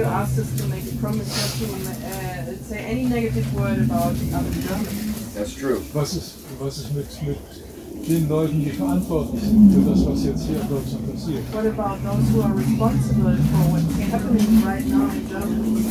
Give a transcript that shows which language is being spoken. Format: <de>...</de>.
<en>You asked us to make a promise not to say any negative word about Germany. That's true.</en> <de>Was ist mit den Leuten, die verantwortlich sind für das, was jetzt hier in Deutschland passiert?</de> <en>What about those who are responsible for what's happening right now in Germany?</en>